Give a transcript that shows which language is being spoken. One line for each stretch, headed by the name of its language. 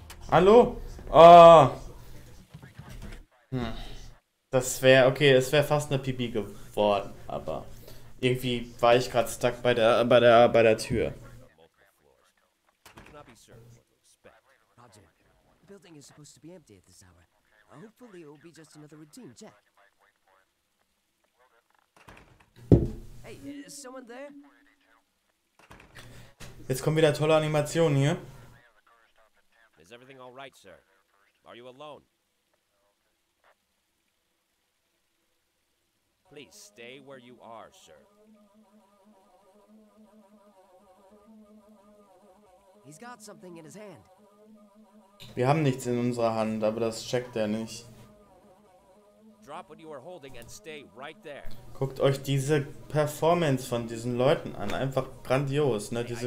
German: Hallo? Oh. Das wäre, okay, es wäre fast eine PB geworden, aber irgendwie war ich gerade stuck bei der Tür.
English: Building is supposed to be empty at this hour. Hopefully it will be just another routine check. Hey, is someone there?
German: Jetzt kommen wieder tolle Animationen hier.
English: Is everything all right, sir? Are you alone? Please stay where you are, sir. He's got something in his hand.
German: Wir haben nichts in unserer Hand, aber das checkt er nicht.
English: Drop what you are holding and stay right there.
German: Guckt euch diese Performance von diesen Leuten an, einfach grandios, ne?